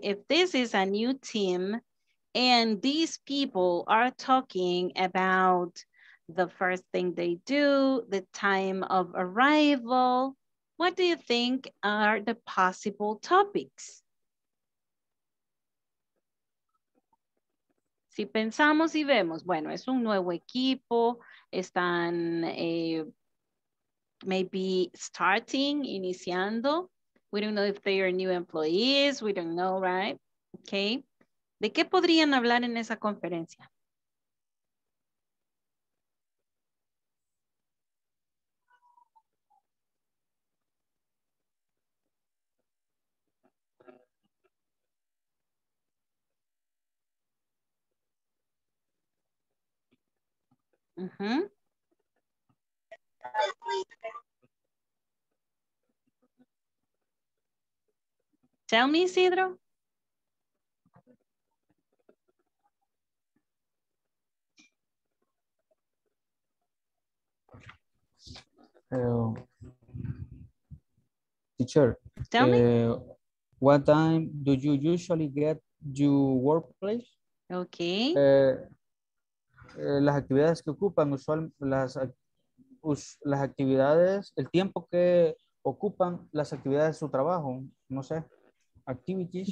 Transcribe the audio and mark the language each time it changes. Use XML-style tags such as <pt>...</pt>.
<en>If this is a new team, and these people are talking about the first thing they do, the time of arrival, what do you think are the possible topics?</en> <es>Si pensamos y vemos, bueno, es un nuevo equipo, están</es> <en>maybe starting,</en> <es>iniciando.</es> <en>We don't know if they are new employees, we don't know, right?</en> <es>Okay. ¿De qué podrían hablar en esa conferencia?</es> <en>Tell me, Isidro. Teacher, tell me, what time do you usually get to workplace? Okay.</en> <es>Las actividades que ocupan usual, las actividades, el tiempo que ocupan las actividades de su trabajo, no sé, activities.</es>